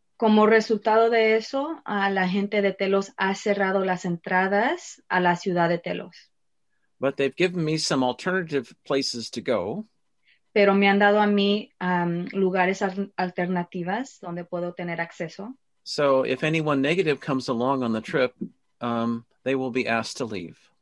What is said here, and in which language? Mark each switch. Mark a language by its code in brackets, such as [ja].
[es] Como resultado de eso, la gente de Telos ha cerrado las entradas a la ciudad de Telos. [en] But they've given me some alternative places to go. [es] Pero me han dado a mí lugares alternativas donde puedo tener acceso. [en] So if anyone negative comes along on the trip, they will be asked to leave.